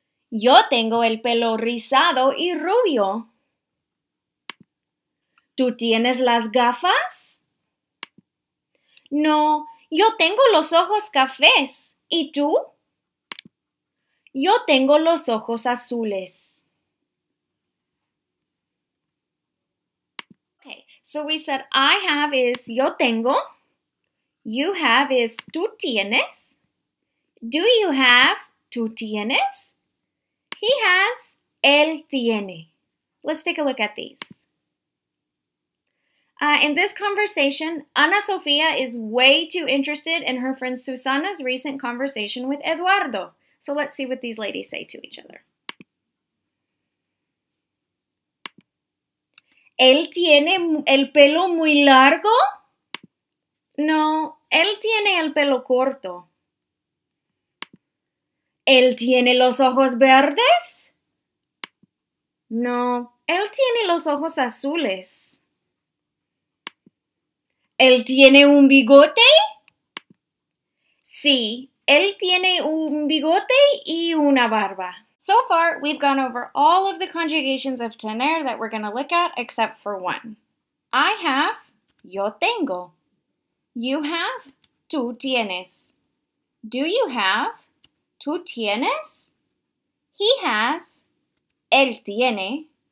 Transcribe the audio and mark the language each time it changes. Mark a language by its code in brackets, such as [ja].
[es] Yo tengo el pelo rizado y rubio. ¿Tú tienes las gafas? No, Yo tengo los ojos cafés. ¿Y tú? Yo tengo los ojos azules. [en] Okay, so we said I have is [es] yo tengo. [en] You have is [es] tú tienes. [en] Do you have? [es] Tú tienes. [en] He has. [es] Él tiene. [en] Let's take a look at these. In this conversation, Ana Sofía is way too interested in her friend Susana's recent conversation with Eduardo. So let's see what these ladies say to each other. [es] ¿Él tiene el pelo muy largo? No, él tiene el pelo corto. ¿Él tiene los ojos verdes? No, él tiene los ojos azules. ¿Él tiene un bigote? Sí, él tiene un bigote y una barba. [en] So far, we've gone over all of the conjugations of tener that we're going to look at except for one. I have, [es] yo tengo. [en] You have, [es] tú tienes. [en] Do you have, [es] tú tienes? [en] He has, [es] él tiene.